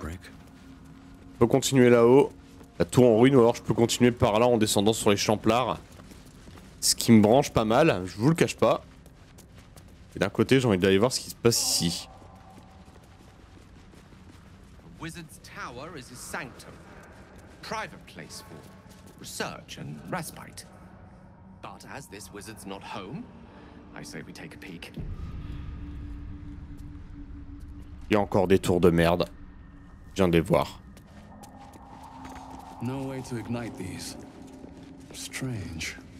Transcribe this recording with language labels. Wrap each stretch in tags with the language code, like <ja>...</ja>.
<fr>On peut continuer là-haut. La tour en ruine, ou alors je peux continuer par là en descendant sur les Champlars. Ce qui me branche pas mal, je vous le cache pas. Et d'un côté, j'ai envie d'aller voir ce qui se passe ici.</fr> <en>Wizard's Tower is his sanctum, private place for research and respite. But as this wizard's not home, I say we take a peek.</en> <fr>Il y a encore des tours de merde. Je viens de les voir.</fr> <en>No way to ignite these. Strange.</en>